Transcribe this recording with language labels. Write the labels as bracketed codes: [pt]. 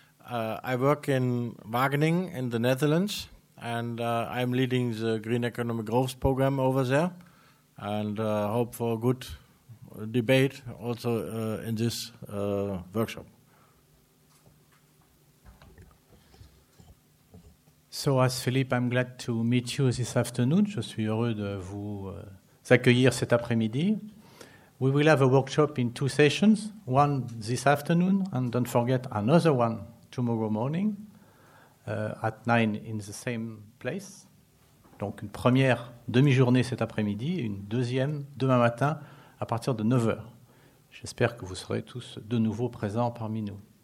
[en] I work in Wageningen in the Netherlands, and I'm leading the Green Economic Growth Program over there, and hope for a good debate also in this workshop. So, as Philippe, I'm glad to meet you this afternoon. [fr] Je suis heureux de vous accueillir cet après-midi. [en] We will have a workshop in two sessions, one this afternoon, and don't forget another one tomorrow morning at 9 in the same place. [fr] Donc, une première demi-journée cet après-midi, une deuxième demain matin, à partir de 9 heures. J'espère que vous serez tous de nouveau présents parmi nous.